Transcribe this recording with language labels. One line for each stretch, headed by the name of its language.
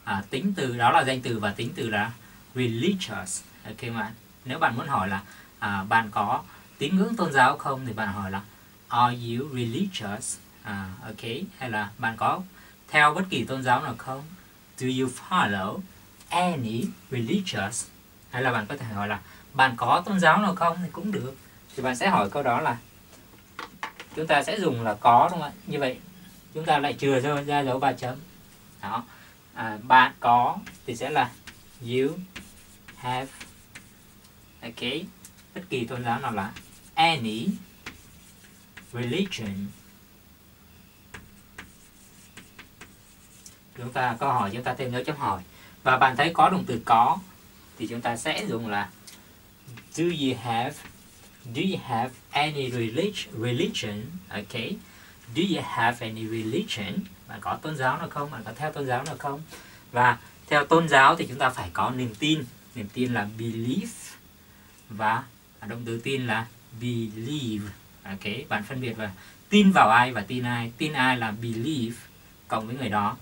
Vietnamese: Tính từ đó là danh từ và tính từ là religious. Ok bạn. Nếu bạn muốn hỏi là bạn có tín ngưỡng tôn giáo không thì bạn hỏi là
English: are you religious?
Vietnamese: Ok, hay là bạn có theo bất kỳ tôn giáo nào không?
English: Do you follow any religious?
Vietnamese: Hay là bạn có thể hỏi là bạn có tôn giáo nào không thì cũng được. Thì bạn sẽ hỏi câu đó là chúng ta sẽ dùng là có, đúng không ạ? Như vậy chúng ta lại chừa ra dấu ba chấm. Đó. Bạn có thì sẽ là
English: you have.
Vietnamese: Ok. Bất kỳ tôn giáo nào là
English: any religion.
Vietnamese: Chúng ta câu hỏi, chúng ta thêm dấu chấm hỏi. Và bạn thấy có động từ có thì chúng ta sẽ dùng là
English: do you have any religion? Ok. Do you have any religion?
Vietnamese: Bạn có tôn giáo nào không? Bạn có theo tôn giáo nào không? Và theo tôn giáo thì chúng ta phải có niềm tin. Niềm tin là belief. Và động từ tin là believe. Ok, bạn phân biệt là tin vào ai và tin ai. Tin ai là believe cộng với người đó.